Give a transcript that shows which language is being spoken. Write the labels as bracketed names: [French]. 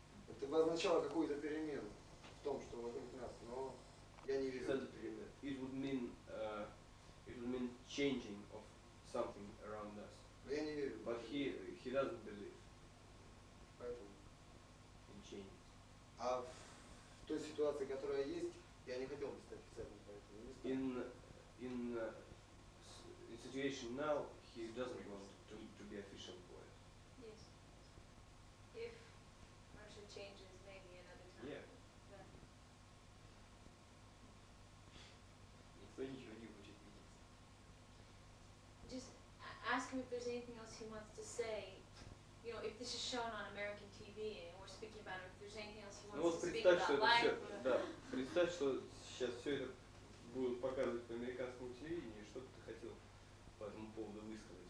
[Russian] Это бы означало какую-то перемену в том, что вокруг нас, но я не верю. Это перемена. [English] It would mean changing of something around us. [Russian] Но я не верю. [English] But he doesn't believe. [Russian] Поэтому. [English] In changes. [Russian] А в той ситуации, которая есть, я не хотел бы стать официальным поэтом. [English] In situation now, he doesn't want to be official poet. Yes. If Russia changes, maybe another time. Yeah. [Russian] Никто ничего не будет видеть. [English] Just ask him if there's anything else he wants to say. You know, if this is shown on American TV and we're speaking about it, if there's anything else he wants to speak about life. [Russian] Все, да, представь, что сейчас все это будут показывать по американскому телевидению, что бы ты хотел по этому поводу высказать.